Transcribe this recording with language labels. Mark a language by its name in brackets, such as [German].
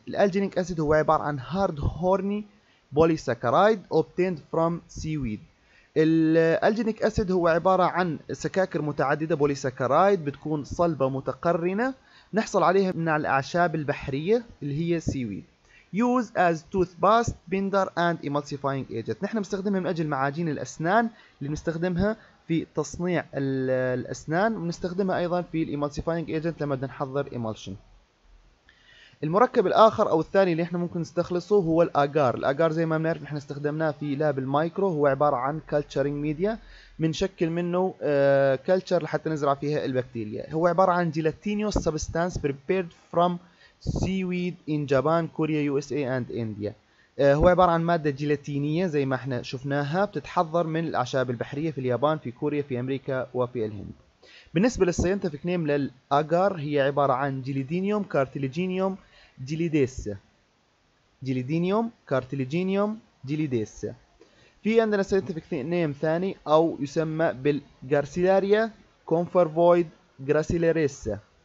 [Arabic] الألجينيك أسيد هو عبارة عن هارد هورني بوليساكرايد [English] obtained from seaweed. [Arabic] الألجينيك أسيد هو عبارة عن سكاكر متعددة بوليساكرايد بتكون صلبة متقرنة، نحصل عليها من الأعشاب البحرية اللي هي seaweed. [English] Use as toothpaste, binder and emulsifying agent. [Arabic] نحن نستخدمها من أجل معاجين الأسنان اللي نستخدمها في تصنيع الأسنان، ونستخدمها أيضا في emulsifying agent لما نحضر emulsion. المركب الآخر أو الثاني اللي احنا ممكن نستخلصه هو الأجار. الأجار زي ما بنعرف نحن استخدمناه في لاب المايكرو، هو عبارة عن culturing media، منشكل منه culture لحتى نزرع فيها البكتيريا. هو عبارة عن [English] gelatinous substance prepared from seaweed in Japan, Korea, USA and India. [Arabic] هو عبارة عن مادة جيلاتينية زي ما احنا شفناها، بتتحضر من الأعشاب البحرية في اليابان، في كوريا، في أمريكا وفي الهند. بالنسبة للساينتفك نيم للأجار هي عبارة عن جيليدينيوم كارتيليجينيوم جيليديس. جيليدينيوم كارتيليجينيوم جيليديس. في عندنا ساينتفك نيم ثاني أو يسمى بالغارسيلاريا كونفرفويد غراسيلاريسا.